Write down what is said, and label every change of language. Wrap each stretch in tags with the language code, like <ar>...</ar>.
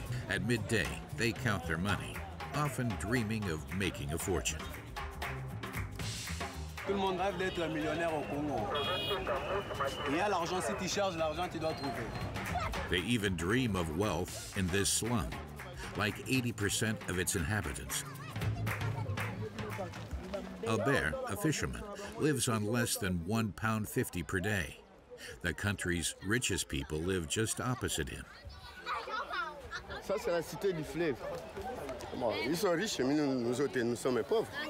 <en>At midday, they count their money, often dreaming of making a fortune.</en> <fr>Tout le monde rêve d'être un millionnaire au Congo. Il y a l'argent, si tu cherches l'argent, tu dois trouver.</fr> <en>They even dream of wealth in this slum, like 80% of its inhabitants. Albert, a fisherman, lives on less than £1.50 per day. The country's richest people live just opposite him.</en> <fr>Ça c'est la cité du fleuve. Bon, ils sont riches, mais nous autres, nous sommes pauvres.</fr>